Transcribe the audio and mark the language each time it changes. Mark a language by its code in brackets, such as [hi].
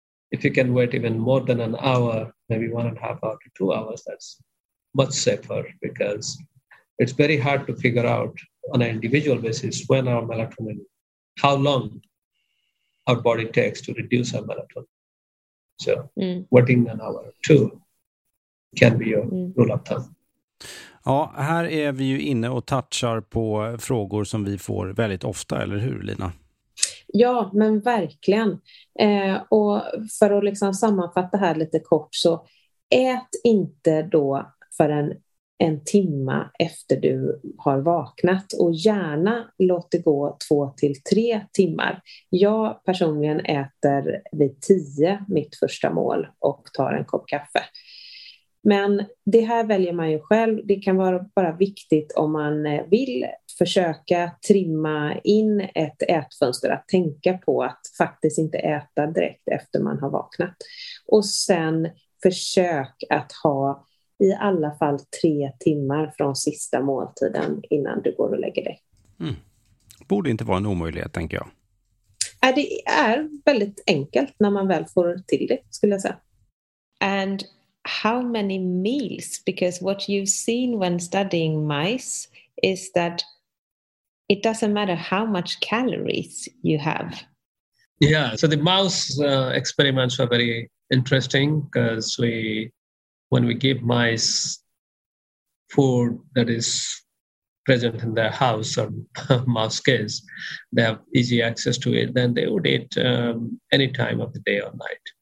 [en] If you can wait even more than an hour, maybe 1.5 hours to 2 hours, that's much safer, because it's very hard to figure out on an individual basis when our melatonin, how long our body takes to reduce our melatonin. So waiting an hour or two can be your rule of thumb. [sv] Ja, här är vi ju inne och touchar på frågor som vi får väldigt ofta, eller hur, Lina? Ja, men verkligen. Och för att liksom sammanfatta här lite kort, så ät inte då förrän en timma efter du har vaknat, och gärna låt det gå 2 till 3 timmar. Jag personligen äter vid 10 mitt första mål och tar en kopp kaffe. Men det här väljer man ju själv. Det kan vara bara viktigt om man vill försöka trimma in ett ätfönster, att tänka på att faktiskt inte äta direkt efter man har vaknat. Och sen försök att ha i alla fall 3 timmar från sista måltiden innan du går och lägger dig. Mm. Borde inte vara en omöjlighet, tänker jag. Det är väldigt enkelt när man väl får till det, skulle jag säga. [en] And how many meals? Because what you've seen when studying mice is that it doesn't matter how much calories you have. Yeah, so the mouse experiments were very interesting, because when we give mice food that is present in their house or mouse case, they have easy access to it, then they would eat any time of the day or night.